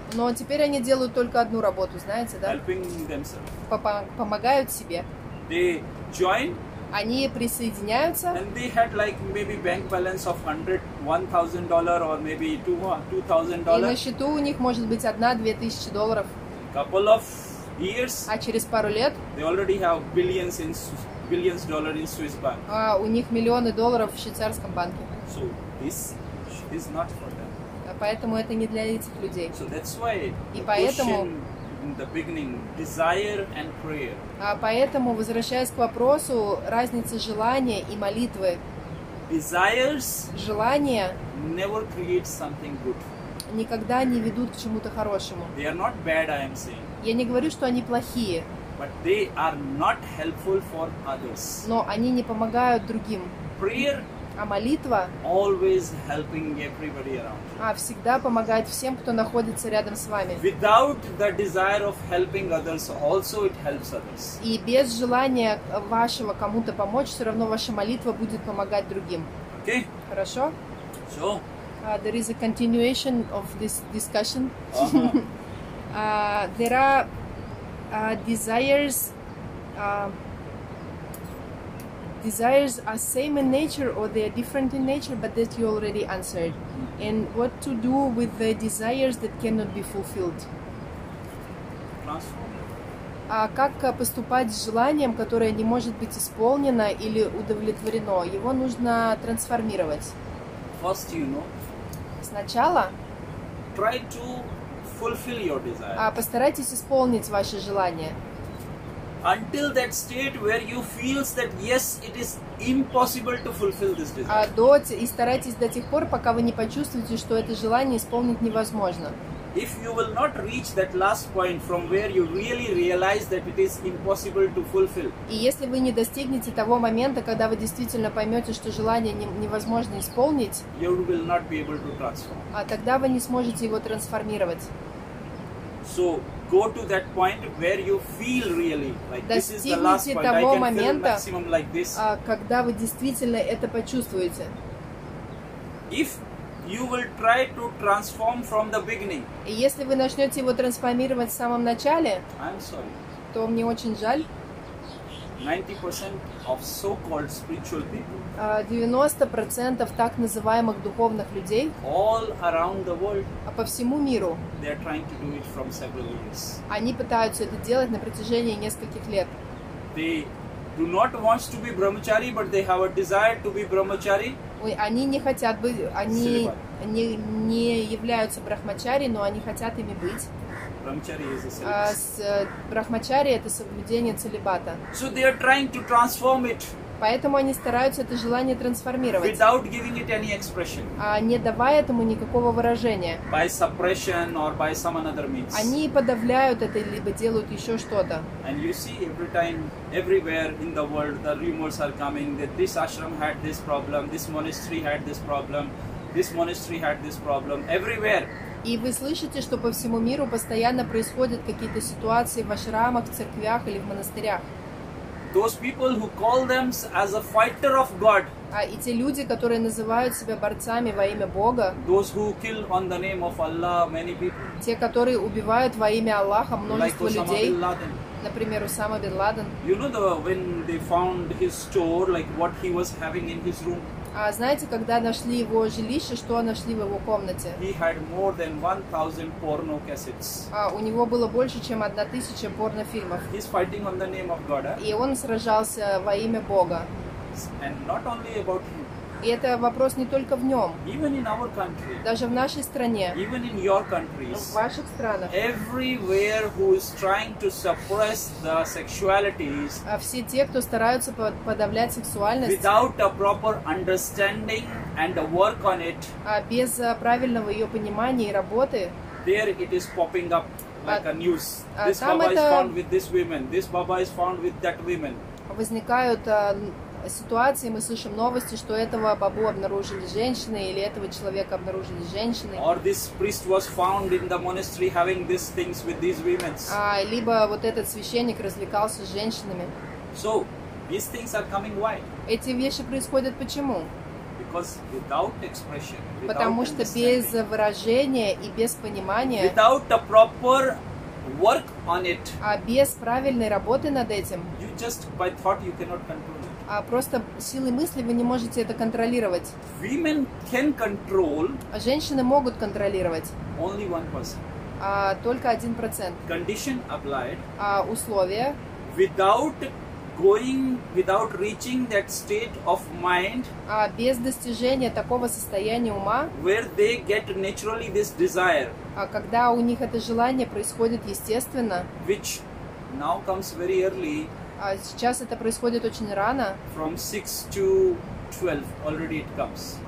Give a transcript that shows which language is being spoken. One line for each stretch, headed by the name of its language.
Russian: Но теперь они делают только одну работу, знаете, да?
English: Helping themselves.
Russian: Помогают себе.
English: They join.
Russian: Они присоединяются.
English: And they had like maybe bank balance of $100, $1,000 or maybe $2,000.
Russian: И на счету у них может быть $1,000-$2,000.
English: Couple of years.
Russian: А через пару лет?
English: They already have billions dollars in Swiss bank.
Russian: У них миллионы долларов в швейцарском банке.
English: So this is not for them.
Russian: Поэтому это не для этих людей.
English: So that's why.
Russian: И поэтому.
English: In the beginning, desire and prayer.
Russian: Поэтому, возвращаясь к вопросу разницы желания и молитвы.
English: Desires.
Russian: Желания.
English: Never create something good.
Russian: Никогда не ведут к чему-то хорошему.
English: They are not bad, I am saying.
Russian: Я не говорю, что они плохие.
English: But they are not helpful for others.
Russian: Но они не помогают другим.
English: Prayer.
Russian: А молитва.
English: Always helping everybody around.
Russian: Всегда помогает всем, кто находится рядом с вами.
English: Without the desire of helping others, also it helps others.
Russian: И без желания вашего кому-то помочь, все равно ваша молитва будет помогать другим.
English: Okay.
Russian: Хорошо.
English: So. There is a continuation of this discussion. Uh-huh. There are desires. Desires are same in nature or they are different in nature, but that you already answered. And what to do with the desires that cannot be fulfilled?
Russian: А как поступать с желанием, которое не может быть исполнено или удовлетворено? Его нужно трансформировать.
English: First, you know,
Russian: сначала
English: try to fulfill your desire.
Russian: А постарайтесь исполнить ваше желание.
English: Until that state where you feel that yes, it is impossible to fulfill this desire.
Russian: А до и старайтесь до тех пор, пока вы не почувствуете, что это желание исполнить невозможно.
English: If you will not reach that last point from where you really realize that it is impossible to fulfill.
Russian: И если вы не достигнете того момента, когда вы действительно поймете, что желание невозможно исполнить,
English: you will not be able to transform.
Russian: А тогда вы не сможете его трансформировать.
English: So go to that point where you feel really like this is the last point.
Russian: Достигните того момента,
English: like this.
Russian: Когда вы действительно это почувствуете.
English: If you will try to transform from the beginning.
Russian: И если вы начнете его трансформировать в самом начале,
English: I'm sorry.
Russian: То мне очень жаль.
English: 90% of so-called spiritual people.
Russian: 90% так называемых духовных людей.
English: All around the world.
Russian: А по всему миру.
English: They are trying to do it from several years.
Russian: Они пытаются это делать на протяжении нескольких лет.
English: They do not want to be brahmachari, but they have a desire to be brahmachari.
Russian: Они не хотят быть, они не являются брахмачари, но они хотят ими быть.
English: Брахмачари is a celibate.
Russian: Брахмачари это соблюдение целибата.
English: So they are trying to transform it.
Russian: Поэтому они стараются это желание трансформировать.
English: Without giving it any expression.
Russian: Не давая этому никакого выражения.
English: By suppression or by some other means.
Russian: Они подавляют это либо делают еще что-то.
English: And you see every time, everywhere in the world, the rumors are coming that this ashram had this problem, this monastery had this problem, this monastery had this problem. Everywhere.
Russian: И вы слышите, что по всему миру постоянно происходят какие-то ситуации в ашрамах, в церквях или в монастырях.
English: Those people who call them as a fighter of God.
Russian: И те люди, которые называют себя борцами во имя Бога.
English: Those who kill on the name of Allah many people.
Russian: Те, которые убивают во имя Аллаха множество людей.
English: Like Osama bin Laden.
Russian: Например, Усама бин Ладен.
English: You know when they found his store, like what he was having in his room.
Russian: Знаете, когда нашли его жилище, что нашли в его комнате?
English: He had more than 1,000 porno cassettes.
Russian: У него было больше, чем 1,000 порнофильмов.
English: He's fighting on the name of God,
Russian: И он сражался во имя Бога.
English: And not only about him.
Russian: И это вопрос не только в нем.
English: Even in our country.
Russian: Даже в нашей стране.
English: Even in your countries.
Russian: В ваших странах.
English: Everywhere who is trying to suppress the sexualities.
Russian: Все те, кто стараются подавлять сексуальность.
English: Without a proper understanding and a work on it.
Russian: Без правильного ее понимания и работы.
English: There it is popping up like a news. This Baba is found with this woman. This Baba is found with that woman.
Russian: Возникают ситуации, мы слышим новости, что этого бабу обнаружили женщины или этого человека обнаружили женщины.
English: Or this priest was found in the monastery having these things with these women.
Russian: Либо вот этот священник развлекался с женщинами.
English: So these things are coming why?
Russian: Эти вещи происходят почему?
English: Because without expression, without
Russian: Потому что без выражения и без понимания.
English: Without the proper work on it.
Russian: Без правильной работы над этим.
English: You just by thought you cannot control.
Russian: Просто силой мысли вы не можете это контролировать.
English: Women can control.
Russian: Женщины могут контролировать.
English: Only 1%.
Russian: Только 1%.
English: Condition applied.
Russian: Условия.
English: Without going, without reaching that state of mind.
Russian: Без достижения такого состояния ума.
English: Where they get naturally this desire.
Russian: Когда у них это желание происходит естественно.
English: Which now comes very early.
Russian: Сейчас это происходит очень рано.
English: From 6 to 12 already it comes.